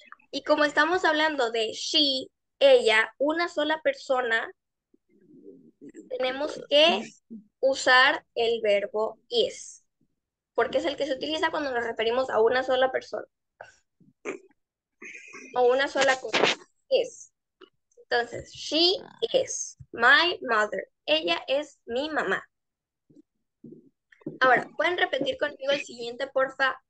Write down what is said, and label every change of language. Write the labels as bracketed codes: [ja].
[es] Y como estamos hablando de she, ella, una sola persona, tenemos que usar el verbo is, porque es el que se utiliza cuando nos referimos a una sola persona. O una sola cosa, is. [en] Entonces, she is my mother. [es] Ella es mi mamá. Ahora, ¿pueden repetir conmigo el siguiente, porfa?